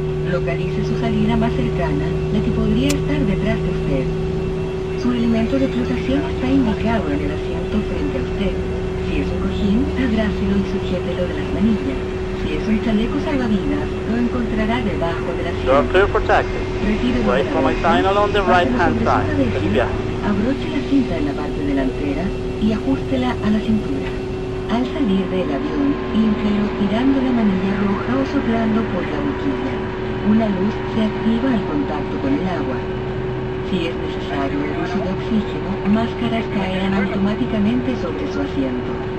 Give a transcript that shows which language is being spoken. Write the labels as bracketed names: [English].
[Spanish] Localice su salida más cercana, la que podría estar detrás de usted. Su elemento de flotación está indicado en el asiento frente a usted. Si es un cojín, abrácelo y sujételo de las manillas. Si es un chaleco salvavidas, lo encontrará debajo del asiento. [English] Wait for my sign along the right hand side. [Spanish] Abroche la cinta en la parte delantera y ajustela a la cintura. Al salir del avión, inflelo tirando la manilla roja o soplando por la boquilla. Una luz se activa al contacto con el agua. Si es necesario el uso de oxígeno, máscaras caerán automáticamente sobre su asiento.